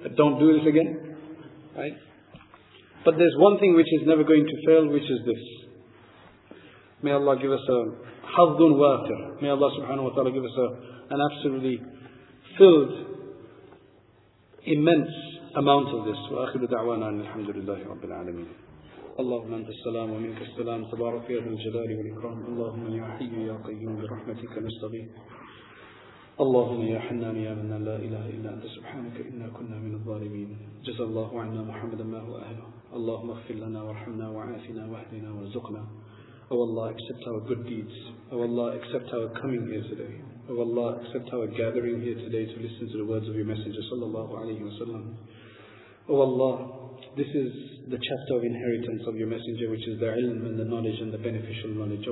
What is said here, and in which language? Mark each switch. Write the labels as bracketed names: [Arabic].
[English] But don't do this again. Right? But there's one thing which is never going to fail, which is this. May Allah give us a حَظٌ وَاتِرٌ. May Allah subhanahu wa ta'ala give us an absolutely filled, immense amount of this. [Arabic] وَآخِرُ دَعْوَانَا أَنِ الْحَمْدُ لِلَّهِ رَبِّ الْعَالَمِينَ. اللهم أنت السلام ومنك السلام تبارك يا ذا الجلال والإكرام. اللهم يا حي يا قيوم برحمتك نستغيث. اللهم يا حنان يا منان لا إله إلا أنت سبحانك إنا كنا من الظالمين. جزى الله عنا محمدا ما هو أهله. اللهم اغفر لنا وارحمنا وعافنا واهدنا وارزقنا. [English] Oh Allah, accept our good deeds. Oh Allah, accept our coming here today. Oh Allah, accept our gathering here today to listen to the words of your Messenger sallallahu alayhi wa sallam. Oh Allah, this is the chapter of inheritance of your Messenger, which is the ilm and the knowledge and the beneficial knowledge.